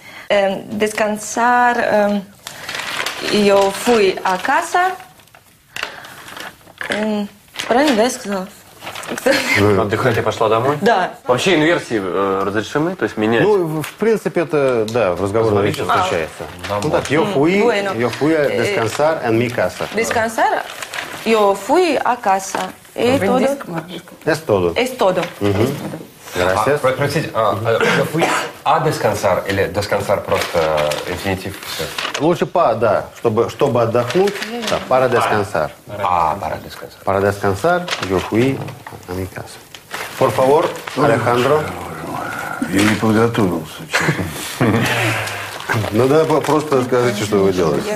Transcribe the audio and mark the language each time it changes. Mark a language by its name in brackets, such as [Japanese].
[Spanish] Десканцар, я фуй а каса. [Russian] Правильно, да, я сказала? Отдыхать я пошла домой? Да. Вообще инверсии разрешены? То есть менять? Ну, в принципе, это, да, в разговоре речи встречается. Ну так, [Spanish] yo fui a descansar en mi casa. Descansar, yo fui a casa. Es todo. Es todo. Es todo. Gracias. [Russian] Простите, [Spanish] yo fui a descansar [Russian] или descansar просто инфинитив? Лучше па, да, чтобы отдохнуть, да, [Spanish] para descansar. Para descansar. Para descansar, yo fui a mi casa. Por favor, Alejandro. [Russian] Я не подготовился, честно. Ну да, просто скажите, что вы делаете.